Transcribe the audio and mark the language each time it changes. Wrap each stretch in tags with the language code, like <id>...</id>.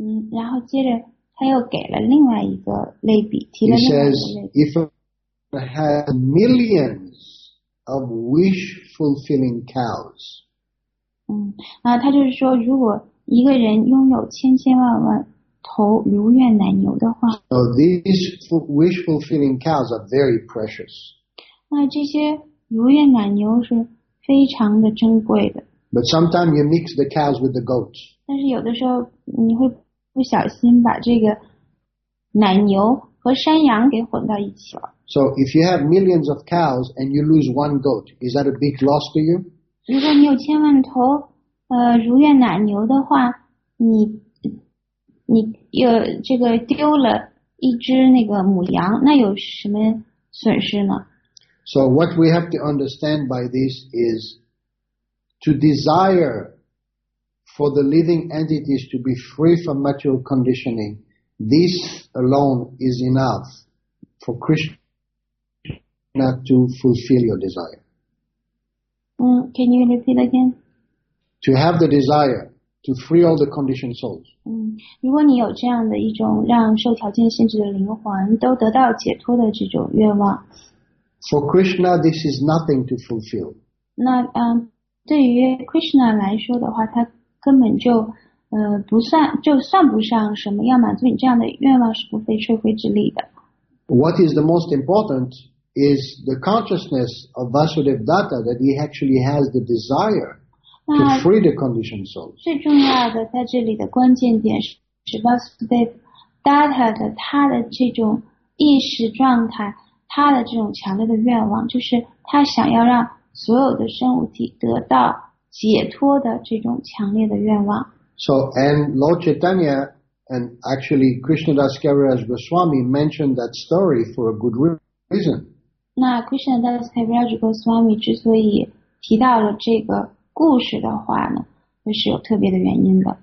<zh>然后接着他又给了另外一个类比，提了另外一个类比。</zh> <en>He says, if I had millions of wish-fulfilling cows.</en> <zh>然后他就是说，如果一个人拥有千千万万。头如愿奶牛的话</zh> <en>So these wish-fulfilling cows are very precious.</en> <zh>那这些如愿奶牛是非常的珍贵的。</zh> <en>But sometimes you mix the cows with the goats.</en> <zh>但是有的时候你会不小心把这个奶牛和山羊给混到一起了。</zh> <en>So if you have millions of cows and you lose one goat, is that a big loss to you?</en> <zh>如果你有千万头如愿奶牛的话，你有这个丢了一只那个母羊，那有什么损失呢？</zh> <en>So what we have to understand by this is to desire for the living entities to be free from material conditioning, this alone is enough for Krishna to fulfill your desire. Can you repeat again? To have the desire. To free all the conditioned souls.</en> <zh>如果你有这样的一种让受条件限制的灵魂都得到解脱的这种愿望。</zh> <en>For Krishna, this is nothing to fulfill.</en> <zh>那对于 Krishna 来说的话，他根本就不算，就算不上什么要满足你这样的愿望是不费吹灰之力的。</zh> <en>What is the most important is the consciousness of Vasudeva Datta that he actually has the desire. To free the conditioned souls.</en> <zh>最重要的在这里的关键点是 Vasudeva Datta 的他的这种意识状态，他的这种强烈的愿望，就是他想要让所有的生物体得到解脱的这种强烈的愿望。</zh> <en>So, and Lord Chaitanya and actually Krishnadas Kaviraj Goswami mentioned that story for a good reason.</en> <zh>那 Krishnadas Kaviraj Goswami 之所以提到了这个故事的话呢，就是有特别的原因的。</zh>